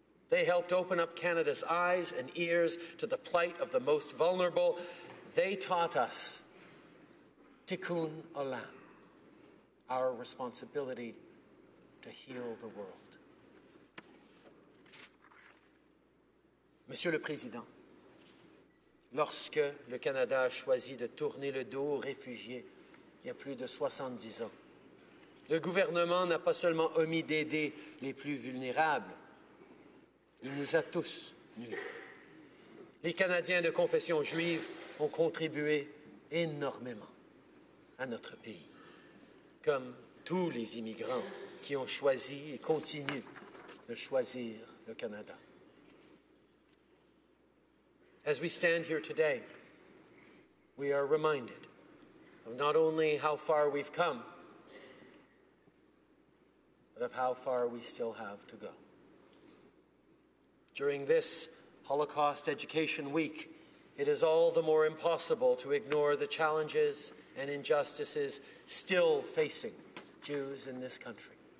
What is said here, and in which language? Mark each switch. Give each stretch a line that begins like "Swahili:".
English: They helped open up Canada's eyes and ears to the plight of the most vulnerable. They taught us tikkun olam, our responsibility to heal the world.
French: Monsieur le Président, lorsque le Canada a choisi de tourner le dos aux réfugiés il y a plus de 70 ans, le gouvernement n'a pas seulement omis d'aider les plus vulnérables, il nous a tous nuis. Les Canadiens de confession juive ont contribué énormément à notre pays, comme tous les immigrants qui ont choisi et continuent de choisir le Canada.
English: As we stand here today, we are reminded of not only how far we've come, but of how far we still have to go. During this Holocaust Education Week, it is all the more impossible to ignore the challenges and injustices still facing Jews in this country.